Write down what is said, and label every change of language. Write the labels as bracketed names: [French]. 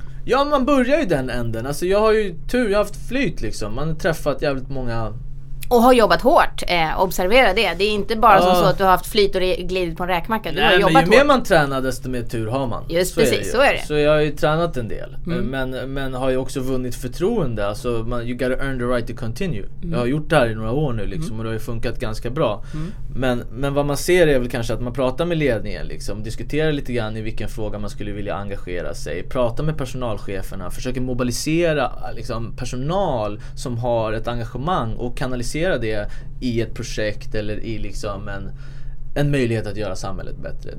[Swedish] Ja, man börjar ju den änden. Alltså jag har ju tur, jag har haft flyt liksom. Man har träffat jävligt många och har jobbat hårt, observera det. Det är inte bara som så att du har haft flyt och glidit på en räkmacka. Du Nej, har jobbat ju hårt. Mer man tränar, desto mer tur har man. Just så precis, är så är det. Så jag har ju tränat en del. Men har ju också vunnit förtroende. Alltså, [English] you gotta earn the right to continue. [Swedish] Jag har gjort det här i några år nu liksom, och det har ju funkat ganska bra. Men vad man ser är väl kanske att man pratar med ledningen liksom, diskuterar lite grann i vilken fråga man skulle vilja engagera sig, pratar med personalcheferna, försöker mobilisera liksom, personal som har ett engagemang och kanalisera det i ett projekt eller i liksom en möjlighet att göra samhället bättre.